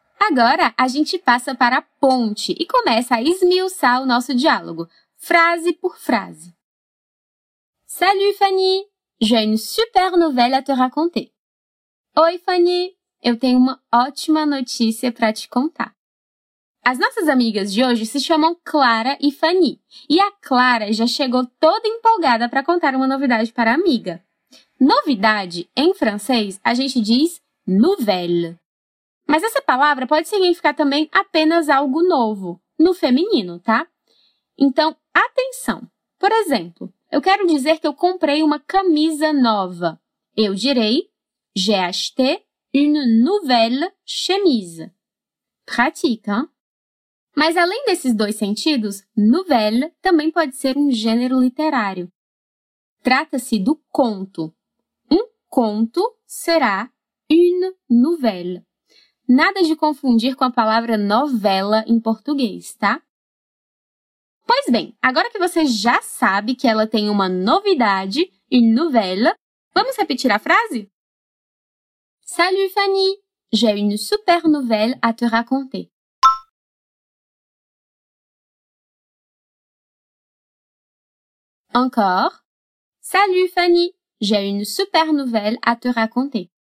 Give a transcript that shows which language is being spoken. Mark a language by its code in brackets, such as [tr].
[pt] Agora, a gente passa para a ponte e começa a esmiuçar o nosso diálogo, frase por frase. [fr] Salut Fanny, j'ai une super nouvelle à te raconter. [pt] Oi Fanny, eu tenho uma ótima notícia para te contar. As nossas amigas de hoje se chamam Clara e Fanny, e a Clara já chegou toda empolgada para contar uma novidade para a amiga. Novidade, em francês, a gente diz nouvelle. Mas essa palavra pode significar também apenas algo novo, no feminino, tá? Então, atenção! Por exemplo, eu quero dizer que eu comprei uma camisa nova. Eu direi, [fr] j'ai acheté une nouvelle chemise. Pratique, hein? [pt] Mas além desses dois sentidos, nouvelle também pode ser um gênero literário. Trata-se do conto. Um conto será une nouvelle. Nada de confundir com a palavra novela em português, tá? Pois bem, agora que você já sabe que ela tem uma novidade, une nouvelle, vamos repetir a frase? [fr] Salut Fanny, j'ai une super nouvelle à te raconter. Encore. Salut Fanny, j'ai une super nouvelle à te raconter.